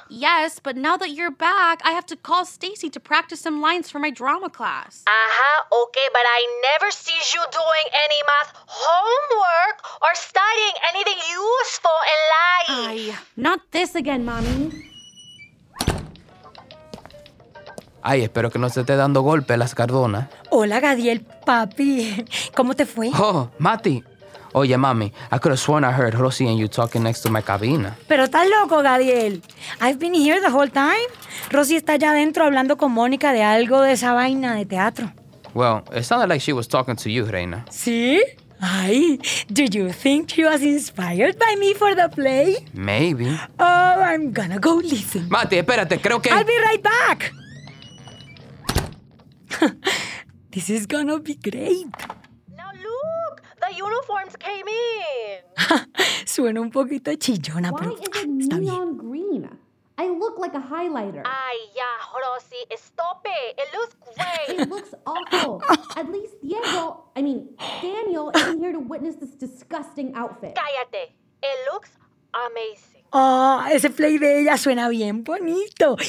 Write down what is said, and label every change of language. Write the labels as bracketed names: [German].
[English] Yes, but now that you're back, I have to call Stacy to practice some lines for my drama class. Okay, but I never see you doing any math homework or studying anything useful in life. Ay, not this again, Mommy. [Spanish] Ay, espero que no se esté dando golpe las cardonas. Hola, Gadiel, papi. ¿Cómo te fue? Oh, Mati. Oye, mami, [English] I could have sworn I heard Rossy and you talking next to my cabina. [Spanish] Pero estás loco, [English] Gadiel. I've been here the whole time. [Spanish] Rossy está allá adentro hablando con Mónica de algo de esa vaina de teatro. [English] Well, it sounded like she was talking to you, Reina. [Spanish] ¿Sí? [English] Ay, do you think she was inspired by me for the play? Maybe. Oh, I'm gonna go listen. [Spanish] Mati, espérate, creo que... [English] I'll be right back. This is gonna be great. Now look, the uniforms came in. [Spanish] Suena un poquito chillona, [English] why [Spanish] pero [English] is it neon [Spanish] bien. [English] Green? I look like a highlighter. [Spanish] Ay, ya, [English] Rosy, stop it. It looks great. It looks awful. At least Daniel isn't here to witness this disgusting outfit. [Spanish] Cállate. [English] It looks amazing. [Spanish] Ah, oh, ese play de ella suena bien bonito.